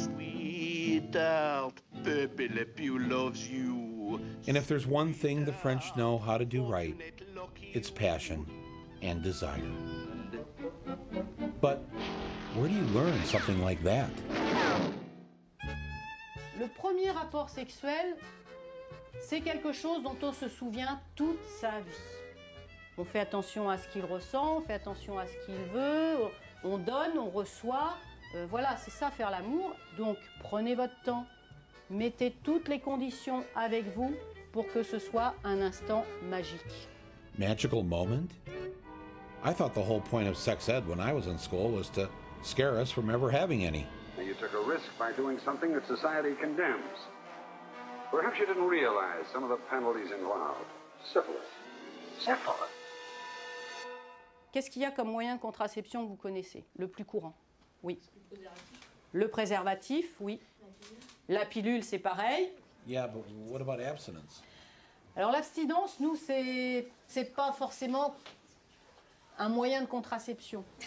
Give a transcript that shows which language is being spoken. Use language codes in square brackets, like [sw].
[en] Sweetheart, Pepe Le Pew loves you. And if there's one thing the French know how to do right, it's passion and desire. But where do you learn something like that? [fr] Le premier rapport sexuel, c'est quelque chose dont on se souvient toute sa vie. On fait attention à ce qu'il ressent, on fait attention à ce qu'il veut, on donne, on reçoit. Voilà, c'est ça faire l'amour. Donc prenez votre temps, mettez toutes les conditions avec vous pour que ce soit un instant magique. [en] Magical moment? I thought the whole point of sex ed when I was in school was to scare us from ever having any. You took a risk by doing something that society condemns. Perhaps you didn't realize some of the penalties involved. Syphilis. Syphilis. [fr] Qu'est-ce qu'il y a comme moyen de contraception que vous connaissez, le plus courant? Oui. Le préservatif, oui. La pilule, c'est pareil. [en] Yeah, but what about abstinence? [fr] Alors l'abstinence, nous, c'est pas forcément un moyen de contraception.